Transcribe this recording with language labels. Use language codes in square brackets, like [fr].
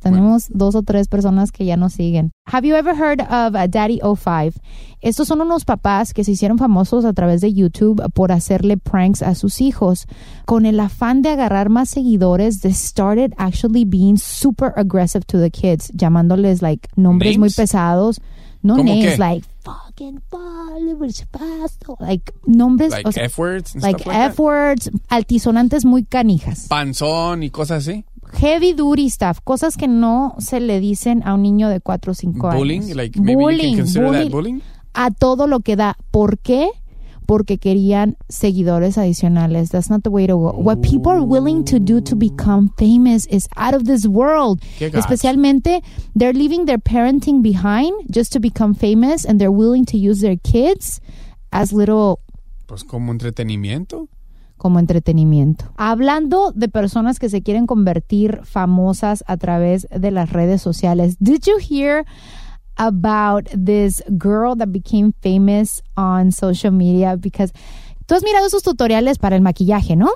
[es] Tenemos dos o tres personas que ya nos siguen. [en] Have you ever heard of Daddy O5? [es] Estos son unos papás que se hicieron famosos a través de YouTube por hacerle pranks a sus hijos. Con el afán de agarrar más seguidores, [en] they started actually being super aggressive to the kids, [es] llamándoles like nombres muy pesados. [en] No names, like fucking fall, like nombres, like, [es] o sea, [en] F-words, [es] F-words, altisonantes muy canijas, panzón y cosas así, [en] heavy duty stuff, [es] cosas que no se le dicen a un niño de 4 o 5 años. [en] Bullying, like maybe bullying, you can consider bullying, that bullying, [es] a todo lo que da. ¿Por qué? Porque querían seguidores adicionales. [en] That's not the way to go. What people are willing to do to become famous is out of this world. Especialmente, they're leaving their parenting behind just to become famous, and they're willing to use their kids as little... [es] Pues como entretenimiento. Como entretenimiento. Hablando de personas que se quieren convertir famosas a través de las redes sociales, [en] did you hear about this girl that became famous on social media? [es] Because tú has mirado esos tutoriales para el maquillaje, ¿no?